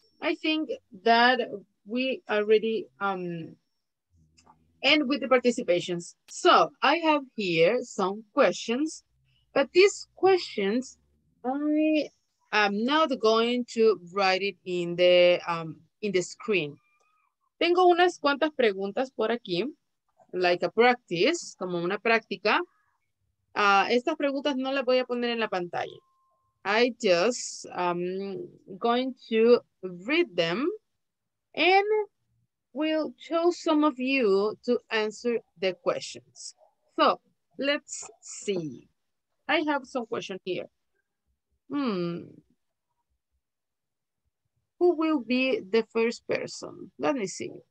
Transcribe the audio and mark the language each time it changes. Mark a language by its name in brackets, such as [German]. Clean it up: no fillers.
[English] I think that we already end with the participations. So I have here some questions, but these questions, I am not going to write it in the screen. [Spanish] Tengo unas cuantas preguntas por aquí, [English] like a practice, [Spanish] como una práctica. Estas preguntas no las voy a poner en la pantalla. [English] I just going to read them and we'll show some of you to answer the questions. So let's see. I have some question here. Who will be the first person? Let me see.